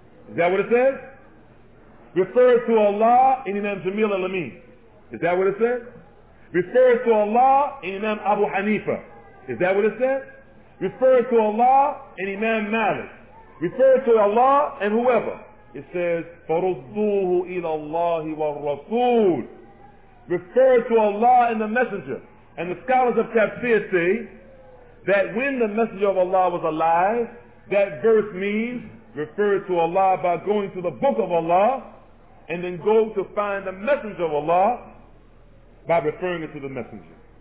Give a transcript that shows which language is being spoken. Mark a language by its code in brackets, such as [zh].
[en] Is that what it says? Refer to Allah and Imam Jamil al-Amin. Is that what it says? Refer to Allah and Imam Abu Hanifa. Is that what it says? Refer to Allah and Imam Malik. Refer to Allah and whoever. It says, [ar] فَرُضُّوهُ إِلَى اللَّهِ وَالرَّسُولِ. [en] Refer to Allah and the Messenger. And the scholars of tafsir say that when the Messenger of Allah was alive, that verse means refer to Allah by going to the book of Allah and then go to find the Messenger of Allah by referring it to the Messenger.